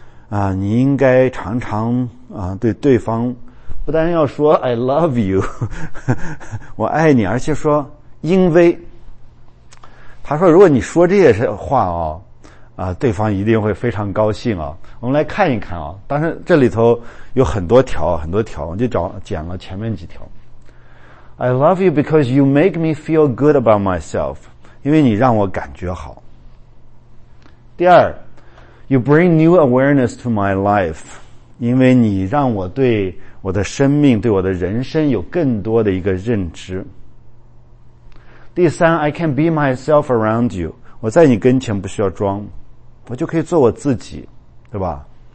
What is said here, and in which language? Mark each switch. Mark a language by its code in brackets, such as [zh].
[zh] 啊，你应该常常啊对对方不单要说 [en] I love you， [zh] 我爱你，而且说因为。他说如果你说这些话哦，啊，对方一定会非常高兴啊。我们来看一看啊，但是这里头有很多条，很多条，我就捡了前面几条。 [en] I love you because you make me feel good about myself， [zh] 因为你让我感觉好。第二 ， [en] You bring new awareness to my life， [zh] 因为你让我对我的生命、对我的人生有更多的一个认知。第三 [en] ，I can be myself around you。 [zh] 我在你跟前不需要装，我就可以做我自己，对吧？